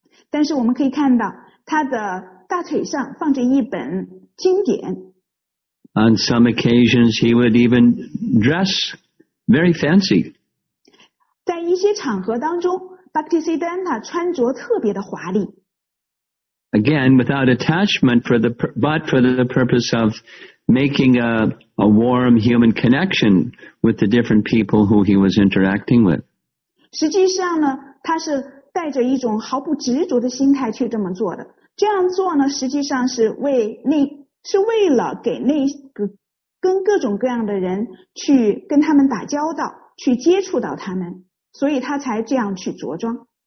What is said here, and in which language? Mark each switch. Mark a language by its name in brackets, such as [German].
[Chinese] 但是我们可以看到他的大腿上放着一本经典。 [English] On some occasions, he would even dress very fancy. [Chinese] 在一些场合当中 ,Bhaktisiddhanta 穿着特别的华丽。 [English] Again, without attachment, but for the purpose of making a warm human connection with the different people who he was interacting with. [Chinese] 实际上呢，他是带着一种毫不执着的心态去这么做的。这样做呢，实际上是为了给那个跟各种各样的人去跟他们打交道，去接触到他们，所以他才这样去着装。